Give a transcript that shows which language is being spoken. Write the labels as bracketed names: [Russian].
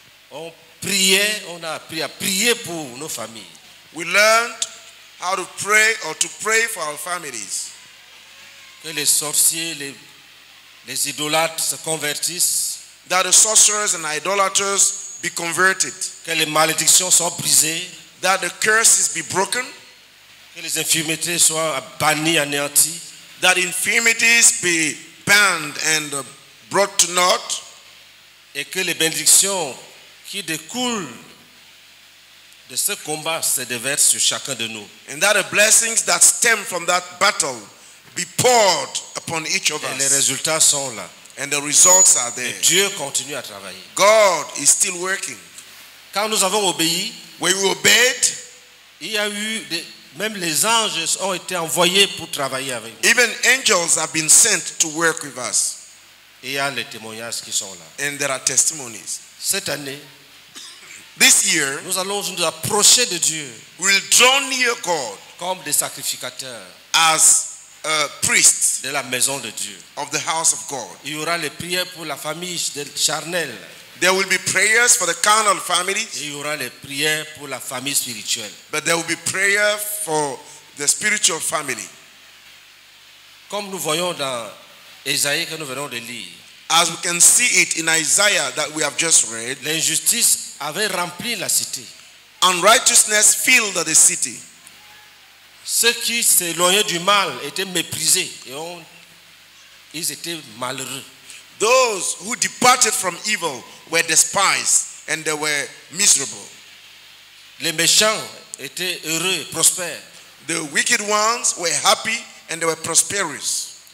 [French] on priait, on a appris à prier pour nos familles. [English] We learned how to pray or to pray for our families. [French] Que les sorciers, les idolâtres se convertissent. [English] That the sorcerers and idolaters be converted. [French] Que les malédictions soient brisées. [English] That the curses be broken. [French] Que les infirmités soient bannies, anéanties. [English] That infirmities be banned and brought to naught. [French] Et que les bénédictions qui découlent de ce combat se déversent sur chacun de nous. [English] And that the blessings that stem from that battle be poured upon each of [French] et [English] us. [French] Les résultats sont là. [English] And the results are there. [French] Et Dieu continue à travailler. [English] God is still working. [French] Quand nous avons obéi, [English] when we obeyed, [French] il y a eu des, même les anges ont été envoyés pour travailler avec nous. [English] Even angels have been sent to work with us. [French] Et il y a les témoignages qui sont là. [English] And there are testimonies. [French] Cette année, [English] this year, [French] nous allons nous approcher de Dieu. [English] We'll draw near God. [French] Comme des sacrificateurs. [English] As a priest [French] de la maison de Dieu. [English] Of the house of God. [French] Il y aura les prières pour la famille de charnelle. [English] There will be prayers for the carnal families. [French] Il y aura les prières pour la famille spirituelle. [English] But there will be prayer for the spiritual family. [French] Comme nous voyons dans Isaïe que nous venons de lire. [English] As we can see it in Isaiah that we have just read. [French] L'injustice avait rempli la cité. [English] Unrighteousness filled the city. [French] Ceux qui s'éloignaient du mal étaient méprisés et ils étaient malheureux. [English] Those who departed from evil were despised and they were miserable. [French] Les méchants étaient heureux et prospères. [English] The wicked ones were happy and they were prosperous.